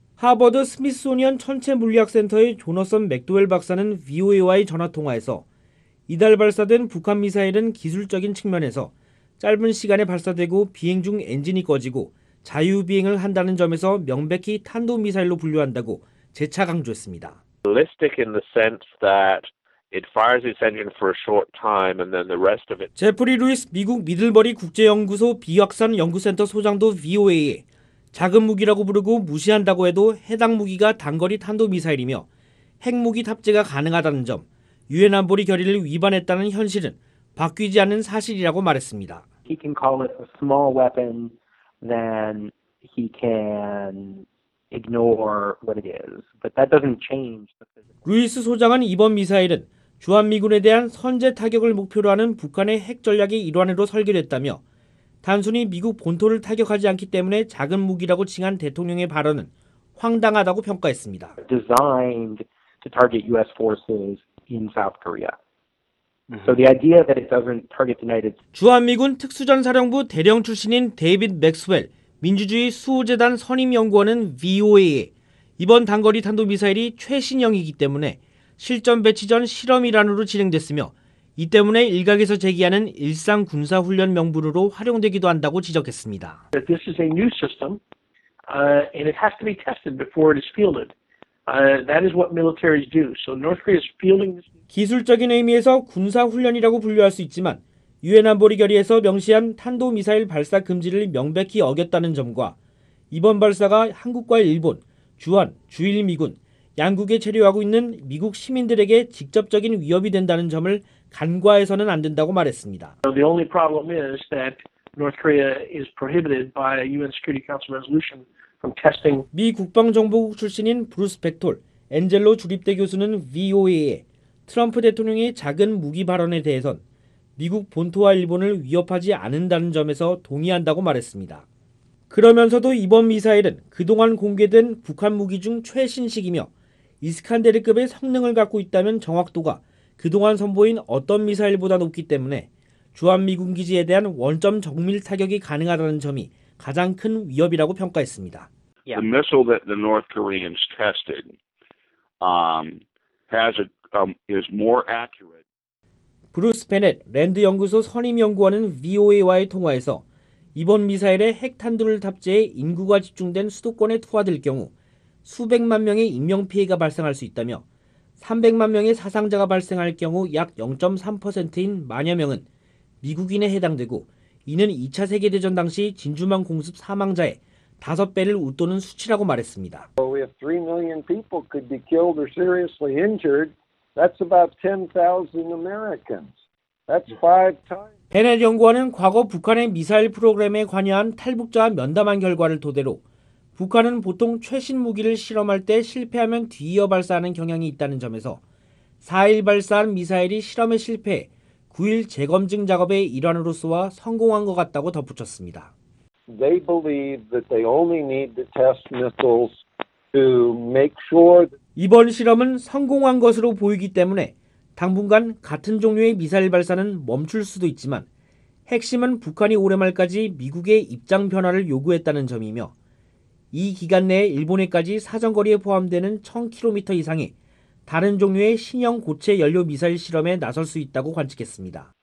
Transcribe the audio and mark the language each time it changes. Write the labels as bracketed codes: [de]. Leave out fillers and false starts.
[ko] 하버드 스미스소니언 천체 물리학 센터의 조너선 맥도웰 박사는 VOA와의 전화 통화에서 이달 발사된 북한 미사일은 기술적인 측면에서 짧은 시간에 발사되고 비행 중 엔진이 꺼지고 자유 비행을 한다는 점에서 명백히 탄도 미사일로 분류한다고 재차 강조했습니다. [en] Ballistic in the sense that it fires its engine for a short time and then the rest of it. [ko] 제프리 루이스 미국 미들버리 국제연구소 비확산 연구센터 소장도 VOA에 작은 무기라고 부르고 무시한다고 해도 해당 무기가 단거리 탄도미사일이며 핵무기 탑재가 가능하다는 점, 유엔 안보리 결의를 위반했다는 현실은 바뀌지 않은 사실이라고 말했습니다. [en] He can call it a small weapon, then he can ignore what it is. But that doesn't change the physics. [ko] 루이스 소장은 이번 미사일은 주한미군에 대한 선제 타격을 목표로 하는 북한의 핵 전략의 일환으로 설계됐다며 단순히 미국 본토를 타격하지 않기 때문에 작은 무기라고 칭한 대통령의 발언은 황당하다고 평가했습니다. [en] Designed to target US forces in South Korea. So the idea that it doesn't target the United States. [ko] 주한미군 특수전사령부 대령 출신인 데이빗 맥스웰 민주주의 수호재단 선임 연구원은 VOA에 이번 단거리 탄도 미사일이 최신형이기 때문에 실전 배치 전 실험 일환으로 진행됐으며 이 때문에 일각에서 제기하는 일상 군사 훈련 명분으로 활용되기도 한다고 지적했습니다. [en] This is a new system, and it has to be tested before it is fielded. That is what militaries do. So North Korea is fielding this. [ko] 기술적인 의미에서 군사 훈련이라고 분류할 수 있지만 유엔 안보리 결의에서 명시한 탄도 미사일 발사 금지를 명백히 어겼다는 점과 이번 발사가 한국과 일본, 주한, 주일 미군 양국에 체류하고 있는 미국 시민들에게 직접적인 위협이 된다는 점을 간과해서는 안 된다고 말했습니다. [en] So the only problem is that North Korea is prohibited by a UN Security Council resolution from testing. [ko] 미 국방정보국 출신인 브루스 백톨, 엔젤로 주립대 교수는 VOA에 트럼프 대통령의 작은 무기 발언에 대해선 미국 본토와 일본을 위협하지 않는다는 점에서 동의한다고 말했습니다. 그러면서도 이번 미사일은 그동안 공개된 북한 무기 중 최신식이며 이스칸데르급의 성능을 갖고 있다면 정확도가 그동안 선보인 어떤 미사일보다 높기 때문에 주한미군 기지에 대한 원점 정밀 타격이 가능하다는 점이 가장 큰 위협이라고 평가했습니다. [en] The missile that the North Koreans tested is more accurate. [ko] 브루스 베넷 랜드 연구소 선임 연구원은 VOA와의 통화에서 이번 미사일에 핵탄두를 탑재해 인구가 집중된 수도권에 투하될 경우 수백만 명의 인명피해가 발생할 수 있다며 300만 명의 사상자가 발생할 경우 약 0.3%인 만여 명은 미국인에 해당되고 이는 2차 세계대전 당시 진주만 공습 사망자의 5배를 웃도는 수치라고 말했습니다. [en] If 3 million people could be killed or seriously injured, that's about 10,000 Americans. That's 5 times. [ko] 베넷 연구원은 과거 북한의 미사일 프로그램에 관여한 탈북자와 면담한 결과를 토대로 북한은 보통 최신 무기를 실험할 때 실패하면 뒤이어 발사하는 경향이 있다는 점에서 4일 발사한 미사일이 실험에 실패해 9일 재검증 작업의 일환으로 쏘아 성공한 것 같다고 덧붙였습니다. [en] They believe that they only need to test missiles to make sure. [ko] 이번 실험은 성공한 것으로 보이기 때문에 당분간 같은 종류의 미사일 발사는 멈출 수도 있지만 핵심은 북한이 올해 말까지 미국의 입장 변화를 요구했다는 점이며 이 기간 내에 일본에까지 사정거리에 포함되는 1,000km 이상의 다른 종류의 신형 고체 연료 미사일 실험에 나설 수 있다고 관측했습니다.